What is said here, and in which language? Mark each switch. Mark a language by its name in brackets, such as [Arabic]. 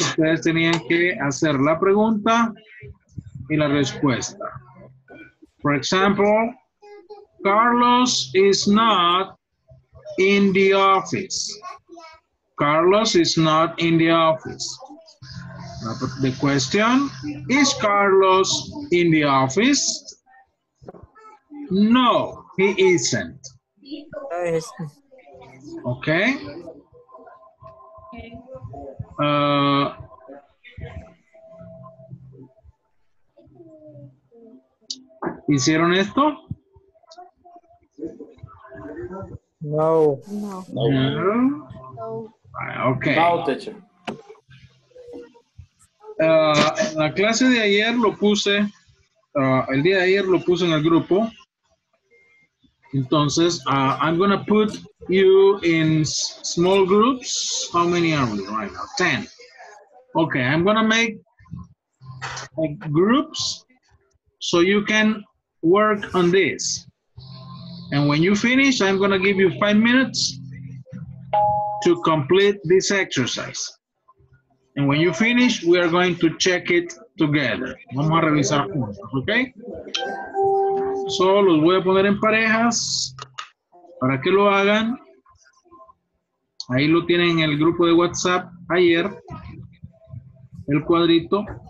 [Spanish] Ustedes tenían que hacer la pregunta y la respuesta. [English] For example, Carlos is not in the office. Carlos is not in the office. The question, is Carlos in the office? No, he isn't. Okay. [Spanish] ¿Hicieron esto? No. No. No. No. [English] Okay. No, teacher. [Spanish] En la clase de ayer lo puse, el día de ayer lo puse en el grupo. [English] Entonces, I'm going to put you in small groups. How many are we right now? 10. Okay, I'm going to make groups so you can work on this. And when you finish, I'm gonna give you 5 minutes to complete this exercise. And when you finish, we are going to check it together. [Spanish] Vamos a revisar juntos, okay? So, los voy a poner en parejas para que lo hagan. Ahí lo tienen en el grupo de WhatsApp ayer, el cuadrito.